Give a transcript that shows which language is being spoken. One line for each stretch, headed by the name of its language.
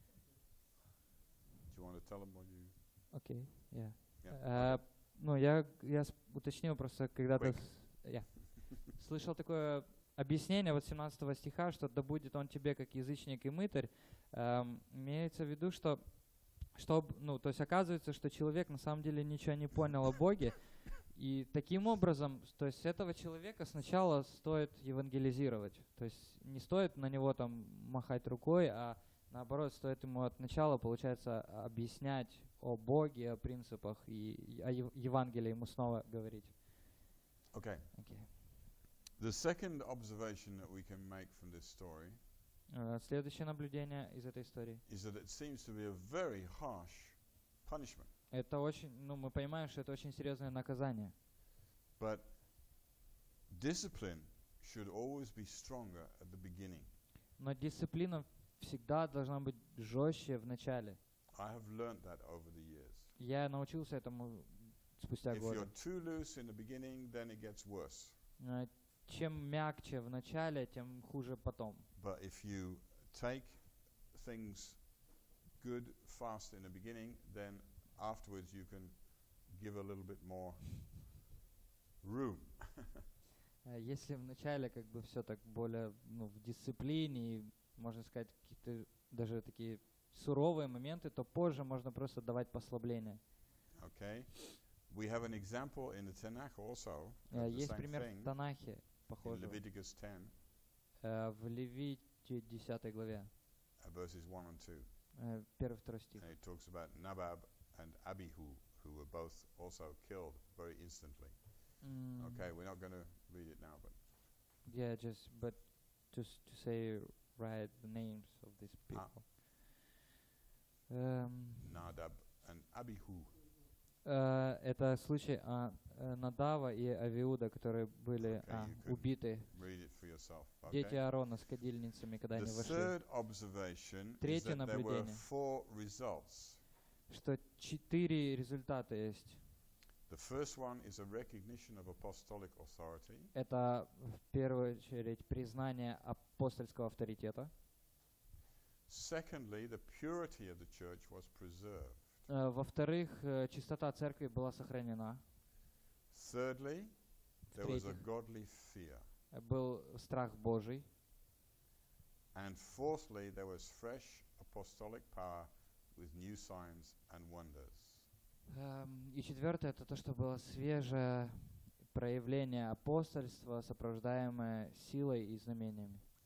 English: Do you want to tell him what you? Okay. Yeah. Yeah.
Russian: Уточнил просто когда-то. Слышал такое объяснение вот 17 стиха, что да будет он тебе как язычник и мытарь, имеется в виду, что то есть оказывается, что человек на самом деле ничего не понял о Боге, и таким образом, то есть этого человека сначала стоит евангелизировать, то есть не стоит на него там махать рукой, а наоборот, стоит ему от начала, получается, объяснять о Боге, о принципах и о Евангелии ему снова говорить. Okay.
English: The second observation that we can make from this story
Russian: Следующее наблюдение из этой истории
English: is that it seems to be a very harsh punishment.
Russian: Это очень, мы понимаем, что это очень серьезное наказание.
English: But discipline should always be stronger at the beginning.
Russian: Но дисциплина всегда должна быть жестче в начале.
English: I have learned that over the years.
Russian: Я научился этому спустя годы.
English: If you're too loose in the beginning, then it gets worse.
Russian: Чем мягче в начале, тем хуже потом.
English: But if you take things good fast in the beginning, then afterwards you can give a little bit more room.
Russian: Если в начале как бы все так более в дисциплине, можно сказать, какие-то даже такие суровые моменты, то позже можно просто давать послабление.
English: Okay. We have an example in the Tanakh also.
Russian: Есть пример в Танахе.
English: In Leviticus 10,
Russian: в Левите 10 главе,
English: verses 1 and 2,
Russian: первый, второй стих,
English: and it talks about Nabab and Abihu, who were both also killed very instantly. Okay, we're not going to read it now, but yeah, just to say right the names of these people. Nadab and Abihu.
Russian: Это случай Надава и Авиуда, которые были убиты. Дети Аарона с кадильницами, когда они вышли. Третье наблюдение, что четыре результата есть.
English: The first one is a recognition of apostolic authority.
Russian: Это в первую очередь признание апостольского авторитета.
English: Secondly, the purity of the church was preserved.
Russian: Во-вторых, чистота церкви была сохранена.
English: Thirdly, there was a godly fear.
Russian: Был страх Божий.
English: And fourthly, there was fresh apostolic power with new signs and wonders.
Russian: И четвертое, это то, что было свежее проявление апостольства, сопровождаемое силой и знамениями.